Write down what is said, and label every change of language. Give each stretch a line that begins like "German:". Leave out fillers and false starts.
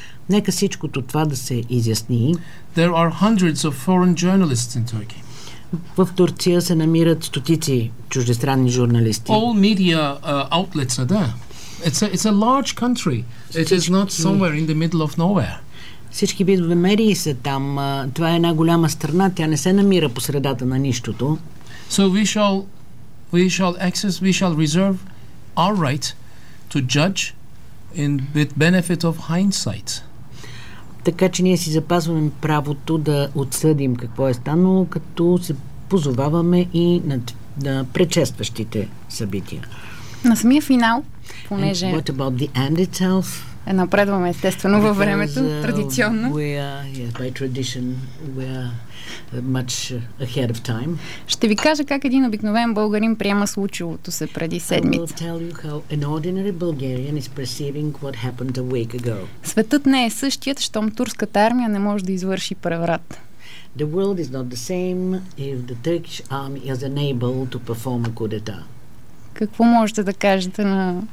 Bulgarian: Нека всичкото това да се изясни.
English: There are hundreds of foreign journalists in Turkey.
Bulgarian: В Турция се намират стотици чуждестранни журналисти.
English: All media outlets are there. It's a large country. It is not somewhere in the middle of nowhere.
Bulgarian: Всички видове медии са там. Това е една голяма страна. Тя не се намира по средата на нищото.
English: So we shall access, we shall reserve our right to judge in with benefit of hindsight.
Bulgarian: Така че ние си запазваме правото да отсъдим какво е станало, като се позоваваме и на предшестващите събития. На самия финал, понеже...
English: And what about the end itself?
Bulgarian: Напредваме естествено във времето, традиционно.
English: We are, yeah, by tradition, we are much ahead of time.
Bulgarian: Ще ви кажа как един обикновен българин приема случилото се преди седмица.
English: I will tell you how an ordinary Bulgarian is perceiving what happened a week ago.
Bulgarian: Светът не е същият, щом турската армия не може да извърши преврат.
English: The world is not the same if the Turkish army is unable to perform a coup d'etat.
Bulgarian: Какво можете да кажете на...